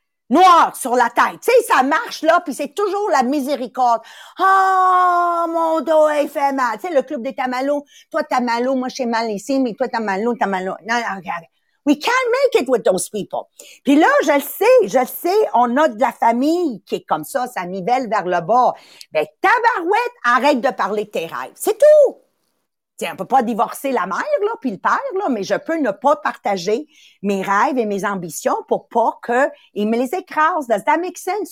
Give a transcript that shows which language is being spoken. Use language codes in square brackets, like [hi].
[fr] Noir sur la tête. Tu sais, ça marche, là, puis c'est toujours la miséricorde. Oh, mon dos, il fait mal. Tu sais, le club des tamalos. Toi, t'as mal au, moi, j'ai mal ici, mais toi, t'as mal au. Non, regarde. [en] We can't make it with those people. [fr] Puis là, je le sais, on a de la famille qui est comme ça, ça nivelle vers le bas. Ben, tabarouette, arrête de parler de tes rêves. C'est tout. Tu sais, on peut pas divorcer la mère, là, puis le père, là, mais je peux ne pas partager mes rêves et mes ambitions pour pas qu'ils me les écrasent. [en] Does that make sense?